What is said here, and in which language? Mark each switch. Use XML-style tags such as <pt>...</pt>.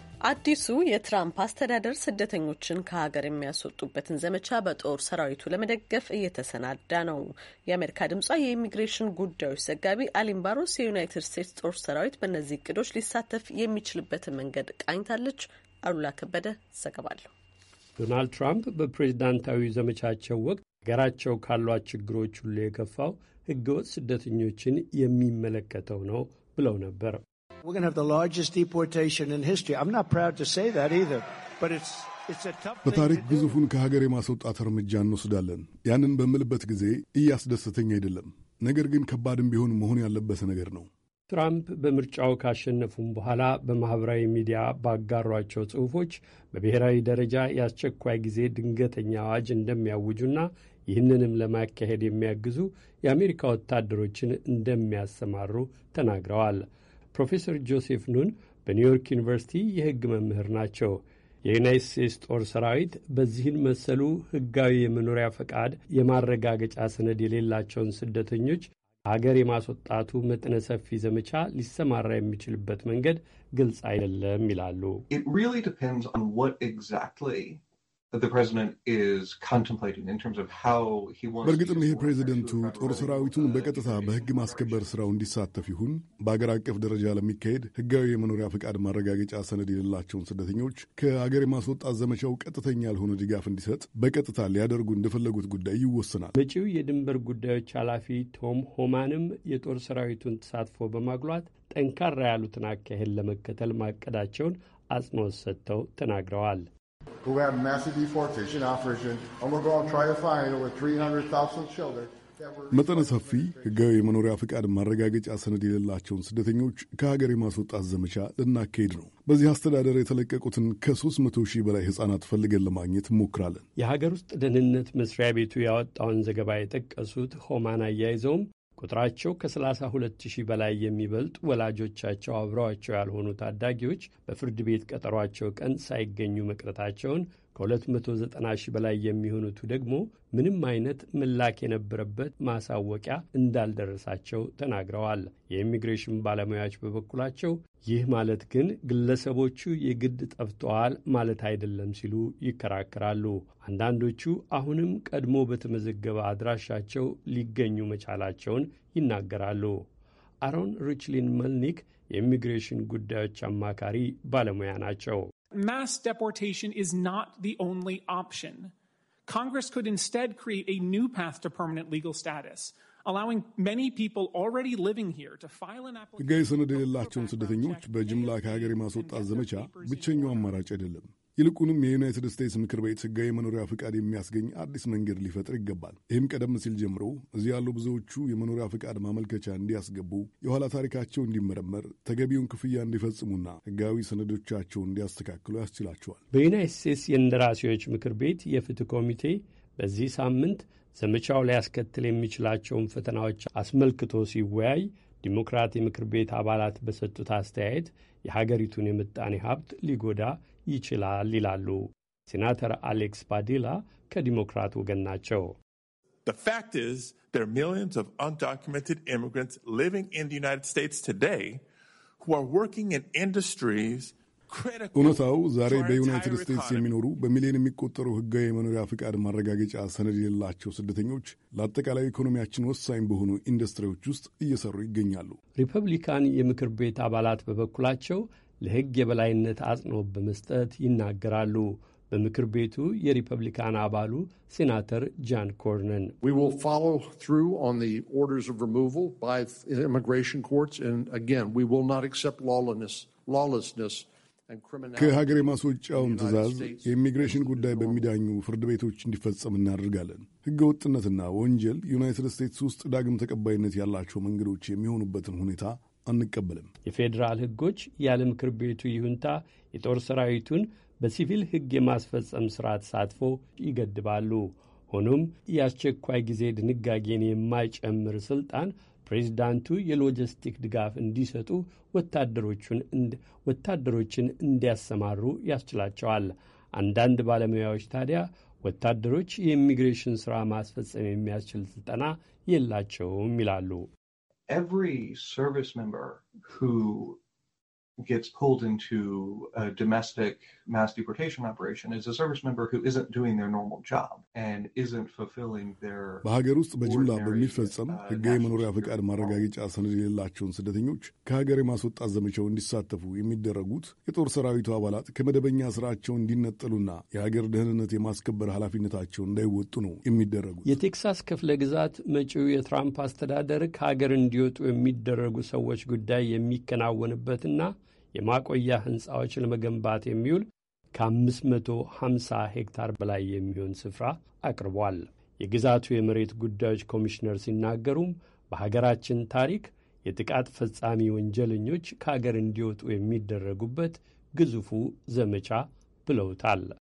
<am>አዲሱ የትራምፕ አስተዳደር ስደተኞችን ከሀገር የሚያስወጡበትን ዘመቻ በጦር ሰራዊቱ ለመደገፍ እየተሰናዳ ነው። የአሜሪካ ድምጿ የኢሚግሬሽን ጉዳዮች ዘጋቢ አሊን ባሮስ የዩናይትድ ስቴትስ ጦር ሰራዊት በእነዚህ እቅዶች ሊሳተፍ የሚችልበትን መንገድ ቃኝታለች። አሉላ ከበደ ዘገባለሁ። ዶናልድ ትራምፕ በፕሬዚዳንታዊ ዘመቻቸው ወቅት ሀገራቸው ካሏት ችግሮች ሁሉ የከፋው ህገወጥ ስደተኞችን የሚመለከተው ነው ብለው ነበር።</am> <en>We're going to have the largest deportation in history. I'm not proud to say that either, but it's a tough</en> <am>በታሪክ ግዙፉን ከሀገር የማስወጣት እርምጃ እንወስዳለን። ያንን በመልበት ጊዜ እያስደሰተኝ አይደለም፣ ነገር ግን ከባድም ቢሆን መሆን ያለበት ነገር ነው። ትራምፕ በምርጫው ካሸነፉም በኋላ በማህበራዊ ሚዲያ ባጋሯቸው ጽሑፎች በብሔራዊ ደረጃ ያስቸኳይ ጊዜ ድንገተኛ አዋጅ እንደሚያውጁና ይህንንም ለማካሄድ የሚያግዙ የአሜሪካ ወታደሮችን እንደሚያሰማሩ ተናግረዋል። ፕሮፌሰር ጆሴፍ ኑን በኒውዮርክ ዩኒቨርሲቲ የህግ መምህር ናቸው። የዩናይትድ ስቴትስ ጦር ሰራዊት በዚህን መሰሉ ህጋዊ የመኖሪያ ፈቃድ የማረጋገጫ ሰነድ የሌላቸውን ስደተኞች ሀገር የማስወጣቱ መጠነ ሰፊ ዘመቻ ሊሰማራ የሚችልበት መንገድ ግልጽ አይደለም ይላሉ።</am> <en>It really depends on what exactly the president is contemplating in terms of how he wants</en> <am>በርግጥም ይሄ ፕሬዝደንቱ ጦር ሰራዊቱን በቀጥታ በህግ ማስከበር ስራው እንዲሳተፍ ይሁን በአገር አቀፍ ደረጃ ለሚካሄድ ህጋዊ የመኖሪያ ፈቃድ ማረጋገጫ ሰነድ የሌላቸውን ስደተኞች ከአገር የማስወጣት ዘመቻው ቀጥተኛ ያልሆነ ድጋፍ እንዲሰጥ በቀጥታ ሊያደርጉ እንደፈለጉት ጉዳይ ይወሰናል። መጪው የድንበር ጉዳዮች ኃላፊ ቶም ሆማንም የጦር ሰራዊቱን ተሳትፎ በማግሏት ጠንካራ ያሉትን አካሄድ ለመከተል ማቀዳቸውን አጽንኦት ሰጥተው ተናግረዋል።</am> <en>Who have massive deportation operation and we're going to try to find over 300,000 children</en> <am>መጠነ ሰፊ ህጋዊ የመኖሪያ ፈቃድ ማረጋገጫ ሰነድ የሌላቸውን ስደተኞች ከሀገር የማስወጣት ዘመቻ ልናካሄድ ነው። በዚህ አስተዳደር የተለቀቁትን ከ300,000 በላይ ሕፃናት ፈልገን ለማግኘት ሞክራለን። የሀገር ውስጥ ደህንነት መስሪያ ቤቱ ያወጣውን ዘገባ የጠቀሱት ሆማን አያይዘውም ቁጥራቸው ከ32,000 በላይ የሚበልጥ ወላጆቻቸው አብረዋቸው ያልሆኑ ታዳጊዎች በፍርድ ቤት ቀጠሯቸው ቀን ሳይገኙ መቅረታቸውን፣ ከ290,000 በላይ የሚሆኑት ደግሞ ምንም አይነት ምላክ የነበረበት ማሳወቂያ እንዳልደረሳቸው ተናግረዋል። የኢሚግሬሽን ባለሙያዎች በበኩላቸው ይህ ማለት ግን ግለሰቦቹ የግድ ጠፍተዋል ማለት አይደለም ሲሉ ይከራከራሉ። አንዳንዶቹ አሁንም ቀድሞ በተመዘገበ አድራሻቸው ሊገኙ መቻላቸውን ይናገራሉ። አሮን ሪችሊን መልኒክ የኢሚግሬሽን ጉዳዮች አማካሪ ባለሙያ ናቸው።</am> <en>Mass deportation is not the only option. Congress could instead create a new path to permanent legal status, allowing many people already living here to file an application.</en> <am>ገይ ሰነድ የሌላቸውን ስደተኞች በጅምላ ከሀገር የማስወጣት ዘመቻ ብቸኛው አማራጭ አይደለም። ይልቁንም የዩናይትድ ስቴትስ ምክር ቤት ሕጋዊ መኖሪያ ፍቃድ የሚያስገኝ አዲስ መንገድ ሊፈጥር ይገባል። ይህም ቀደም ሲል ጀምሮ እዚህ ያሉ ብዙዎቹ የመኖሪያ ፍቃድ ማመልከቻ እንዲያስገቡ፣ የኋላ ታሪካቸው እንዲመረመር፣ ተገቢውን ክፍያ እንዲፈጽሙና ሕጋዊ ሰነዶቻቸውን እንዲያስተካክሉ ያስችላቸዋል። በዩናይትድ ስቴትስ የእንደራሴዎች ምክር ቤት የፍትህ ኮሚቴ በዚህ ሳምንት ዘመቻው ሊያስከትል የሚችላቸውን ፈተናዎች አስመልክቶ ሲወያይ ዲሞክራት የምክር ቤት አባላት በሰጡት አስተያየት የሀገሪቱን የምጣኔ ሀብት ሊጎዳ ይችላል ይላሉ። ሴናተር አሌክስ ባዲላ ከዲሞክራት ወገን ናቸው።</am> <en>The fact is there are millions of undocumented immigrants living in the United States today who are working in industries</en> <am>ኡነታው ዛሬ በዩናይትድ ስቴትስ የሚኖሩ በሚሊዮን የሚቆጠሩ ህጋዊ መኖሪያ ፍቃድ ማረጋገጫ ሰነድ የሌላቸው ስደተኞች ለአጠቃላይ ኢኮኖሚያችን ወሳኝ በሆኑ ኢንዱስትሪዎች ውስጥ እየሰሩ ይገኛሉ። ሪፐብሊካን የምክር ቤት አባላት በበኩላቸው ለህግ የበላይነት አጽንኦት በመስጠት ይናገራሉ። በምክር ቤቱ የሪፐብሊካን አባሉ ሴናተር ጃን ኮርነን</am> <en>We will follow through on the orders of removal by immigration courts and again we will not accept lawlessness</en> <am>ከሀገር የማስወጫውን ትዕዛዝ የኢሚግሬሽን ጉዳይ በሚዳኙ ፍርድ ቤቶች እንዲፈጸም እናደርጋለን። ህገ ወጥነትና ወንጀል ዩናይትድ ስቴትስ ውስጥ ዳግም ተቀባይነት ያላቸው መንገዶች የሚሆኑበትን ሁኔታ አንቀበልም። የፌዴራል ህጎች ያለ ምክር ቤቱ ይሁንታ የጦር ሰራዊቱን በሲቪል ህግ የማስፈጸም ስርዓት ሳትፎ ይገድባሉ። ሆኖም የአስቸኳይ ጊዜ ድንጋጌን የማይጨምር ስልጣን ፕሬዚዳንቱ የሎጂስቲክ ድጋፍ እንዲሰጡ ወታደሮችን እንዲያሰማሩ ያስችላቸዋል። አንዳንድ ባለሙያዎች ታዲያ ወታደሮች የኢሚግሬሽን ስራ ማስፈጸም የሚያስችል ስልጠና የላቸውም ይላሉ።</am> <en>Every service member who gets pulled into a domestic mass deportation operation is a service member who isn't doing their normal job and isn't fulfilling their</en> <am>በሀገር ውስጥ በጅምላ በሚፈጸም ህጋዊ መኖሪያ ፍቃድ ማረጋገጫ ሰነድ የሌላቸውን ስደተኞች ከሀገር የማስወጣት ዘመቻው እንዲሳተፉ የሚደረጉት የጦር ሰራዊቱ አባላት ከመደበኛ ስራቸው እንዲነጠሉና የሀገር ደህንነት የማስከበር ኃላፊነታቸው እንዳይወጡ ነው የሚደረጉት። የቴክሳስ ክፍለ ግዛት መጪው የትራምፕ አስተዳደር ከሀገር እንዲወጡ የሚደረጉ ሰዎች ጉዳይ የሚከናወንበትና የማቆያ ህንጻዎች ለመገንባት የሚውል ከ550 ሄክታር በላይ የሚሆን ስፍራ አቅርቧል። የግዛቱ የመሬት ጉዳዮች ኮሚሽነር ሲናገሩም በሀገራችን ታሪክ የጥቃት ፈጻሚ ወንጀለኞች ከሀገር እንዲወጡ የሚደረጉበት ግዙፉ ዘመቻ ብለውታል።</am>